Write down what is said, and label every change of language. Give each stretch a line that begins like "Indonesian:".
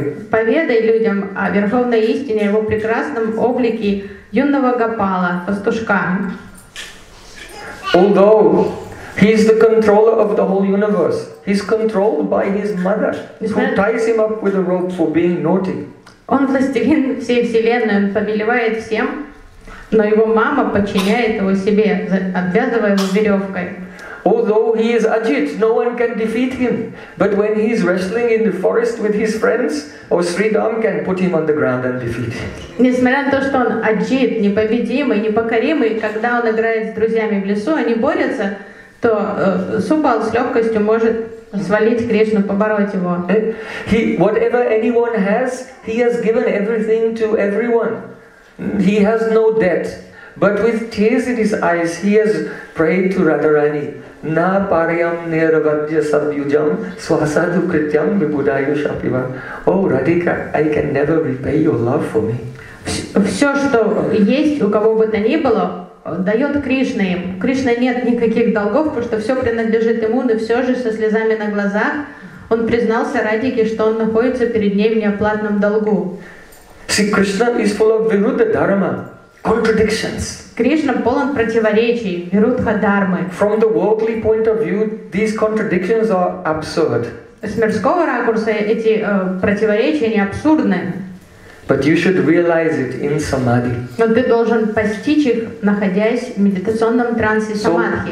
Russian: Поведай людям о верховной истине, его прекрасном облике юного Гопала, пастушка.
English: Although he is the controller of the whole universe, he is controlled by his mother, who ties him up with a rope for being naughty.
Russian: Он властелин всей вселенной, он повелевает всем. Но его мама подчиняет его себе, обвязывая его веревкой.
English: Although he is Ajit, no one can defeat him. But when he is wrestling in the forest with his friends, Sridham can put him on the ground and defeat him.
Russian: Несмотря на то, что он Ajit, непобедимый, непокоримый, когда он играет с друзьями в лесу, они борются, то Субал с легкостью может свалить Кришну, побороть его.
English: He, whatever anyone has, he has given everything to everyone. He has no debt. But with tears in his eyes, he has prayed to Radharani,
Sanskrit: Na Paryam Neravadya Savyujam Swasadhu Krityam Vibhudayu Shapiva.
English: Oh, Radhika, I can never repay your love for me.
Russian: Все, что есть, у кого бы то ни было, дает Кришна им. У Кришны нет никаких долгов, потому что все принадлежит ему, но все же со слезами на глазах он признался Радхике, что он находится перед ней в неоплатном долгу.
English: See, Krishna is full of Viruddha Dharma. Contradictions.
Russian: Кришна полон противоречий, вирудха дармы.
English: From the worldly point of view, these contradictions are absurd.
Russian: С мирского ракурса эти противоречия не абсурдны.
English: But you should realize it in samadhi.
Russian: Но ты должен постичь их, находясь в медитационном трансе самадхи.